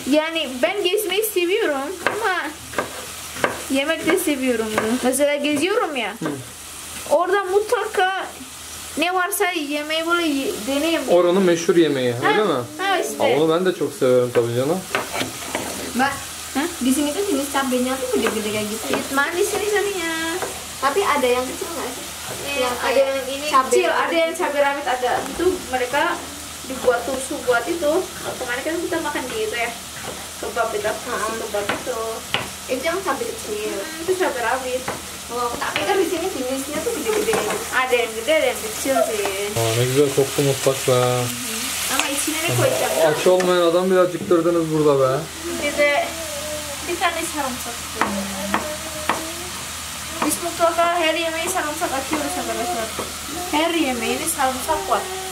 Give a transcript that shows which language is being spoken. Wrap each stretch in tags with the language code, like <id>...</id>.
<tr>Yani ben gezmeyi seviyorum ama yemek de seviyorum. Mesela geziyorum ya. Hı. Orada mutlaka ne varsa yemeği böyle deneyim. Oranın meşhur yemeği, ha, öyle mi? Ha işte. Onu ben de çok severim tabii canım. Bak, bizim için sen beni aldın mı? Gidip gidip gitsin. Gitmem de seni canım ya.</tr> <id>Tabii ada yang kecil gak sih? Ada yang ini kecil, ada yang cabai rawit ada. Itu mereka dibuat susu buat itu. Kemarin kan kita makan gitu ya. Kebab itu, kebab itu. Itu yang cabai kecil. Itu cabai rawit. Tapi kan di sini jenisnya tuh gede-gede. Ada yang gede, ada yang kecil sih.</id> <tr>Oh, ne güzel koktu mutfakta. Ama içine ne koyacağım? Aç olmayan adam bile acıktırdınız burada be. Bir de bir tane sarımsak. Biz mutlaka her yemeği sarımsak atıyoruz arkadaşlar. Her yemeğini sarımsak var.</tr>